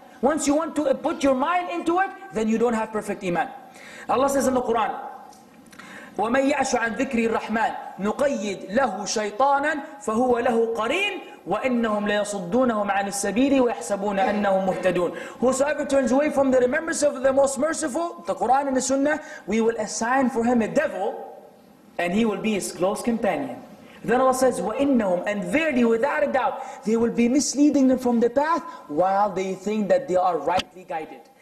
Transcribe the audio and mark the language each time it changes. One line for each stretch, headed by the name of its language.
English: Once you want to put your mind into it, then you don't have perfect Iman. Allah says in the Quran,
Arabic: وَمَنْ يَعْشُ عَنْ ذِكْرِ الرَّحْمَنِ نُقَيِّدْ لَهُ شَيْطَانًا فَهُوَ لَهُ قَرِينٌ وَإِنَّهُمْ لَيَصُدُّونَهُمْ عَنِ السَّبِيلِ وَيَحْسَبُونَ أَنَّهُمْ مُهْتَدُونَ.
English: Whosoever turns away from the remembrance of the Most Merciful, the Quran and the Sunnah, we will assign for him a devil, and he will be his close companion. Then Allah says, وَإِنَّهُمْ, and verily, without a doubt, they will be misleading them from the path while they think that they are rightly guided.